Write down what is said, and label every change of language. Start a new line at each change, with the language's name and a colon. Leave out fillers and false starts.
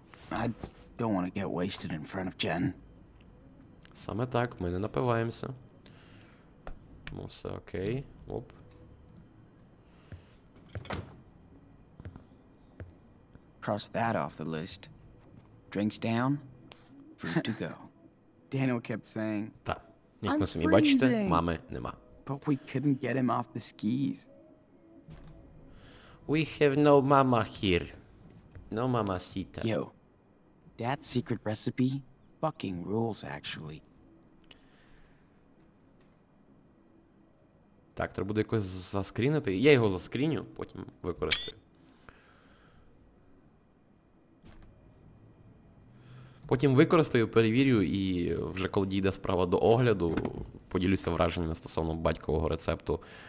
English: I don't want to get wasted in front of Jen.
Ukrainian: Саме так, ми не напиваємося. Ну все окей. Оп.
English: Cross that off the list. Drinks down. Free to go. Daniel kept saying.
Ukrainian: Так. Як ви самі бачите, мами нема.
English: But we couldn't get him off the skis. We have no mama here. No mamacita. Yo. Dad's secret recipe fucking rules, actually.
Ukrainian: Так, треба буде якось заскрінити. Я його заскріню, потім використаю. Потім використаю, перевірю, і вже коли дійде справа до огляду, поділюся враженнями стосовно батькового рецепту.